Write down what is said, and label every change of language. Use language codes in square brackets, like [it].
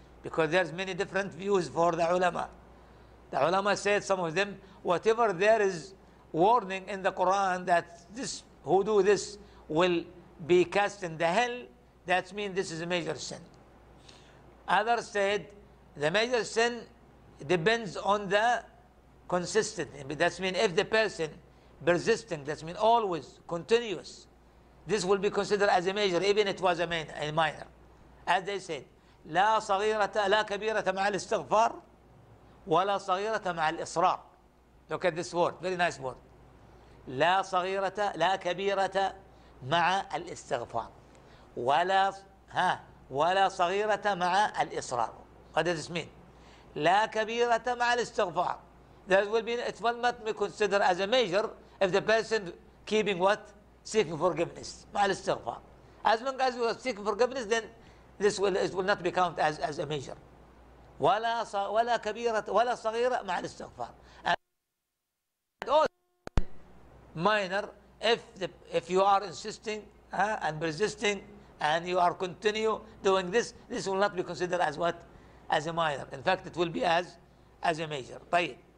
[en] Because there's many different views for the ulama. The ulama said, some of them, whatever there is warning in the Quran that this who do this will be cast in the hell, that means this is a major sin. Others said, the major sin depends on the consistency. That means if the person persisting, that means always, continuous, this will be considered as a major, even if it was a minor. [ar] As they said, لا صغيرة لا كبيرة مع الاستغفار ولا صغيرة مع الإصرار. [en] Look at this word, very nice word. [ar] لا صغيرة لا كبيرة مع الاستغفار ولا ها ولا صغيرة مع الإصرار. [en] What does this mean? [ar] لا كبيرة مع الاستغفار. [en] That will be, it will not be considered as a major if the person keeping what? Seeking forgiveness. [ar] مع الاستغفار. [en] As long as you are seeking forgiveness, then this will not be counted as a major. [ar] ولا كبيرة ولا صغيرة مع الاستغفار. [en] And also minor if you are insisting and persisting and you are continue doing this, this will not be considered as what? As a minor. In fact, it will be as as a major. طيب.